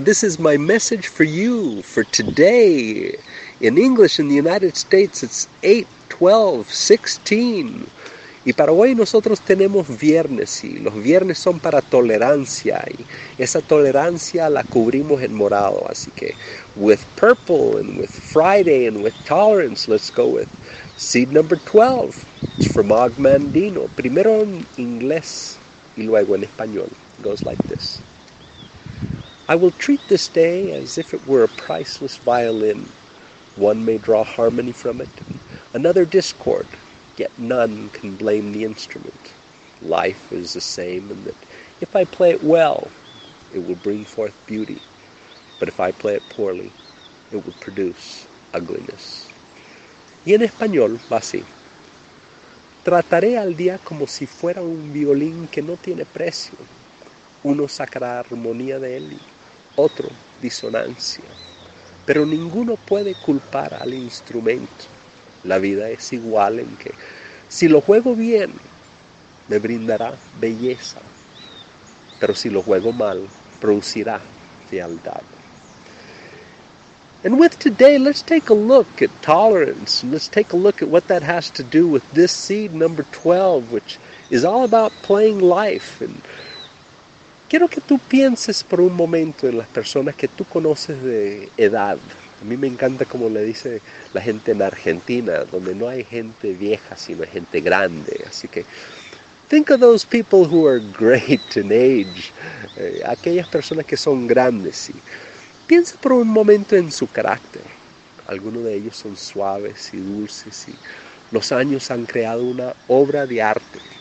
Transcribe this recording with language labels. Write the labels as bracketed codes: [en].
[en] This is my message for you for today. In English, in the United States, it's 8/12/16. [es] Y para hoy nosotros tenemos viernes, y los viernes son para tolerancia, y esa tolerancia la cubrimos en morado. Así que, [en] with purple, and with Friday, and with tolerance, let's go with seed number 12. It's from Og Mandino. [es] Primero en inglés, y luego en español. [en] It goes like this. I will treat this day as if it were a priceless violin. One may draw harmony from it, another discord, yet none can blame the instrument. Life is the same in that if I play it well, it will bring forth beauty, but if I play it poorly, it will produce ugliness. [es] Y en español va así. Trataré al día como si fuera un violín que no tiene precio. Uno sacará armonía de él y otro, disonancia. Pero ninguno puede culpar al instrumento. La vida es igual en que, si lo juego bien, me brindará belleza. Pero si lo juego mal, producirá fealdad. [en] And with today, let's take a look at tolerance. And let's take a look at what that has to do with this seed number 12, which is all about playing life. And [es] quiero que tú pienses por un momento en las personas que tú conoces de edad. A mí me encanta como le dice la gente en Argentina, donde no hay gente vieja, sino gente grande. Así que, think of those people who are great in age, aquellas personas que son grandes. Y piensa por un momento en su carácter. Algunos de ellos son suaves y dulces, y los años han creado una obra de arte.